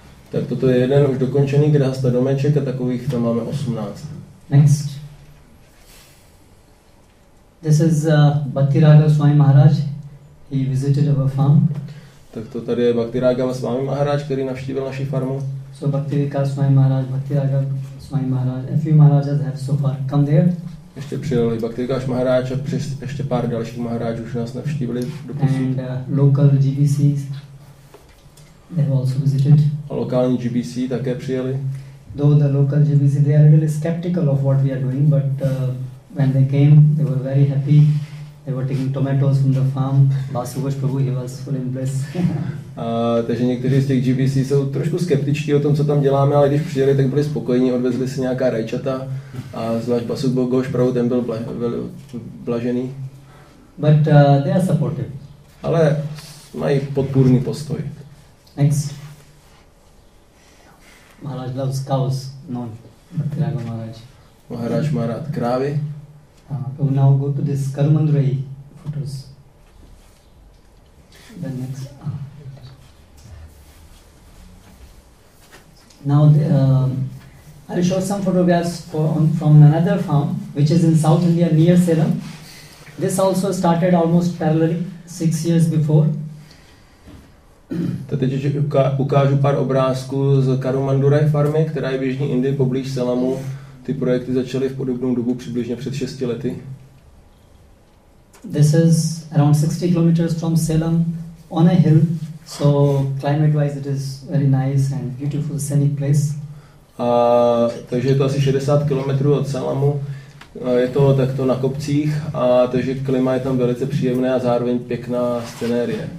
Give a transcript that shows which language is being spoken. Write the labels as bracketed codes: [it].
[cs] Tak toto je jeden už dokončený grasta domeček a takových tam máme 18. [en] Next. This is Bhakti Raga Swami Maharaj. He visited our farm. [cs] Tak to tady je Bhakti Raga Swami Maharaj, který navštívil naši farmu. [en] So Bhakti Raga Swami Maharaj, Bhakti Raga Swami Maharaj, a few Maharajas have so far come there. [cs] Ještě přijel i Bhakti Raga Swami Maharaj a ještě pár dalších Maharajů už nás navštívili. [en] And local GBCs, they have also visited. [cs] A lokální GBC také přijeli. [en] though the local GBC, they are a little skeptical of what we are doing, but when they came, they were very happy. They were taking tomatoes from the farm. Vasubhash Prabhu, he was full in bliss. [cs] Takže někteří z těch GBC jsou trošku skeptičtí o tom, co tam děláme, ale když přijeli, tak byli spokojení, odvezli si nějaká rajčata a zvlášť Vasubhash Prabhu, ten byl blažený. [en] But they are supportive. [cs] Ale mají podpůrný postoj. [en] Thanks. Maharaj loves cows, not Bhaktirago Maharaj. [cs] Maharaj má rád krávy. [en] We now go to this Karmandrei photos. The next. Now, I will show some photographs from another farm, which is in South India near Salem. This also started almost parallelly, 6 years before. [cs] Teď ukážu pár obrázků z Karumandurai farmy, která je v jižní Indii poblíž Salemu. Ty projekty začaly v podobnou dobu přibližně před 6 lety. [en] This is around 60 kilometers from Salem on a hill, so climate wise it is very nice and beautiful scenic place. [cs] Takže je to asi 60 kilometrů od Salemu. Je to takto na kopcích a takže klima je tam velice příjemné a zároveň pěkná scenérie.